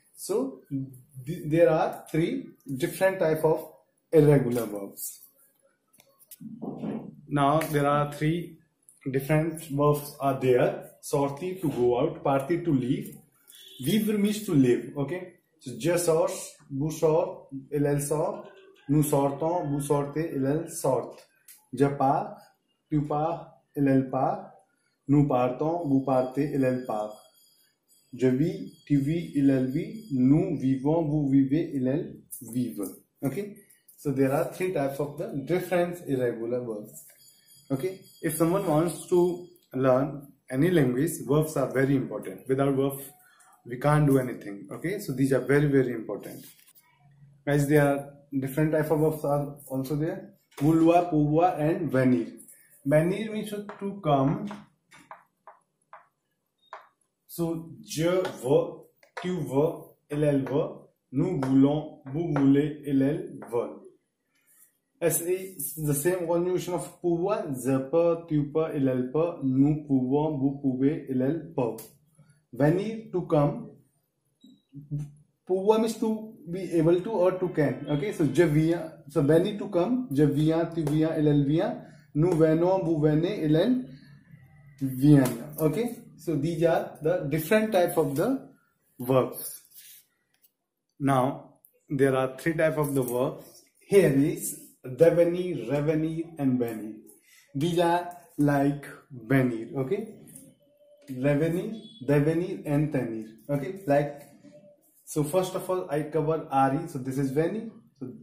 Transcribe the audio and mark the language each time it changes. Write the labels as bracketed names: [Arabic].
[English] So, there are three different type of irregular verbs. Now, there are three different verbs are there. Sortie to go out, party to leave, vivre means to live. [French] Okay, so je sors, vous sort, il elle sort, nous sortons, vous sortez, il elle sort. Je pars, tu pars, il elle part, nous partons, vous partez, il elle part. Je vis, tu vis, il elle vit, nous vivons, vous vivez, il elle vive. [English] Okay, so there are three types of the different irregular verbs. Okay, if someone wants to learn. Any language, verbs are very important. Without verbs, we can't do anything. Okay, so these are very, very important. Guys, there are different type of verbs are also there. Vouloir, pouvoir, and venir. Venir means to come. [French] So, je veux, tu veux, il elle veut, nous voulons, vous voulez, il elle veut. [English] It's the same conjugation of [French] pouvoir, je peux, tu peux, il elle peut, nous pouvons, vous pouvez, il elle peut. [English] Venir, to come, pouvoir means to be able to or to can. [French] Okay, so je viens, so venir to come, je viens, tu viens, il elle vient, nous venons, vous venez, il elle vient. [English] Okay, so these are the different type of the verbs. Now, there are three type of the verbs. Here is Devenir, revenir, and venir. These are like venir, okay? Revenir, devenir, and tenir, okay? Like, so first of all, I cover re, so this is venir. So